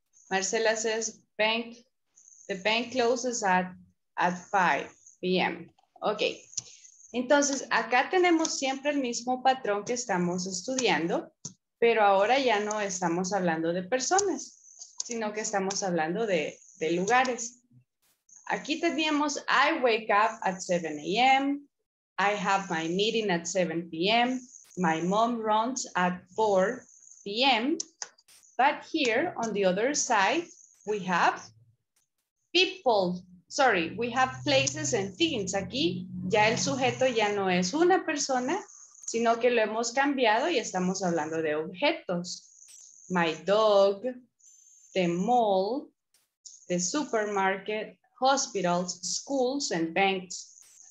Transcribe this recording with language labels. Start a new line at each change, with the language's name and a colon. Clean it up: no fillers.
English: Marcela says the bank closes at 5.
Spanish: Bien,
English: ok.
Spanish: Entonces, acá tenemos siempre el mismo patrón que estamos estudiando, pero ahora ya no estamos hablando de personas, sino que estamos hablando de lugares. Aquí teníamos,
English: I wake up at 7 a.m., I have my meeting at 7 p.m., my mom runs at 4 p.m., but here on the other side, we have people. Sorry, we have places and things.
Spanish: Aquí ya el sujeto ya no es una persona, sino que lo hemos cambiado y estamos hablando de objetos.
English: My dog, the mall, the supermarket, hospitals, schools, and banks.